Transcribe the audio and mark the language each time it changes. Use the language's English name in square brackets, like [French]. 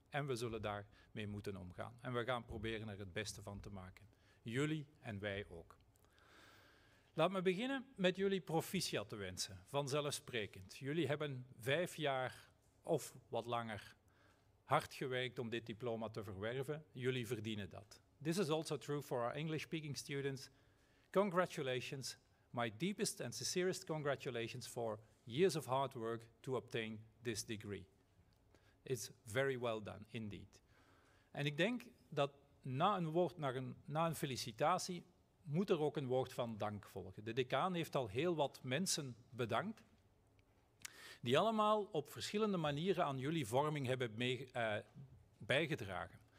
[Dutch] En we zullen daarmee moeten omgaan. En we gaan proberen er het beste van te maken. Jullie en wij ook. Laat me beginnen met jullie proficiat te wensen. Vanzelfsprekend. Jullie hebben 5 jaar of wat langer hard gewerkt om dit diploma te verwerven. Jullie verdienen dat. [English] This is also true for our English-speaking students. Congratulations. My deepest and sincerest congratulations for years of hard work to obtain this degree. It's very well done, indeed. [Dutch] En ik denk dat na een felicitatie moet er ook een woord van dank volgen. De decaan heeft al heel wat mensen bedankt, die allemaal op verschillende manieren aan jullie vorming hebben bijgedragen.